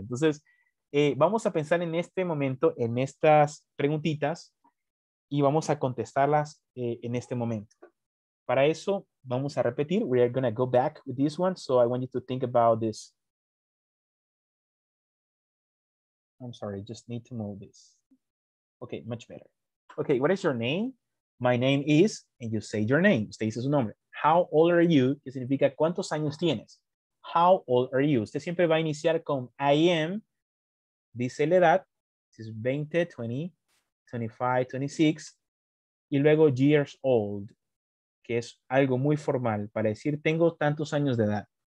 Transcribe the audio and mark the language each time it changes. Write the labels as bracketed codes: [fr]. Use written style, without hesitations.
[es] Entonces, vamos a pensar en este momento, en estas preguntitas, y vamos a contestarlas en este momento. Para eso, vamos a repetir. [en] We are going to go back with this one, so I want you to think about this. I'm sorry, just need to move this. Okay, much better. Okay, what is your name? My name is, and you say your name. [es] Usted dice su nombre. [en] How old are you? [es] Que significa, ¿cuántos años tienes? [en] How old are you? [es] Usted siempre va a iniciar con [en] I am. [es] Dice la edad. [en] This is 20, 20, 25, 26. [es] Y luego [en] years old, [es] que es algo muy formal para decir tengo tantos años de edad.